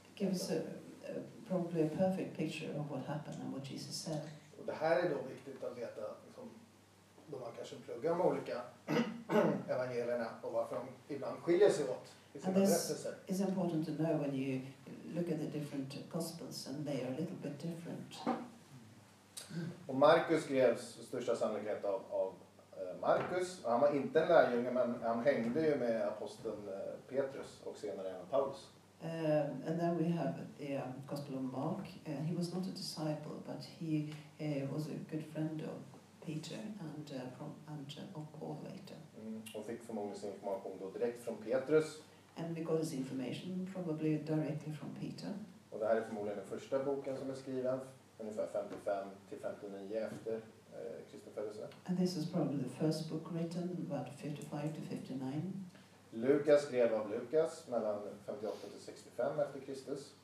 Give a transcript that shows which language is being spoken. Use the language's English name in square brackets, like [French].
[English] It gives probably a perfect picture of what happened and what Jesus said. [Swedish] Och det här är då viktigt att veta liksom, de har kanske pluggat de olika evangelierna och varför de ibland skiljer sig åt. [English] And this is important to know when you look at the different gospels and they are a little bit different. [Swedish] Och Markus skrevs största sannolikhet av Markus. Han var inte en lärjunge men han hängde ju med aposteln Petrus och senare även Paulus. [English] And then we have the gospel of Mark. He was not a disciple but he was a good friend of Peter and of Paul later. [Swedish] Och fick förmodligen sin information då direkt från Petrus. [English] And we got his information probably directly from Peter. [Swedish] Och det här är förmodligen den första boken som är skriven ungefär 55 till 59 efter Kristi födelse. [English] And this is probably the first book written about 55 to 59. [Swedish] Lukas skrev av Lukas mellan 58 till 65 efter Kristus.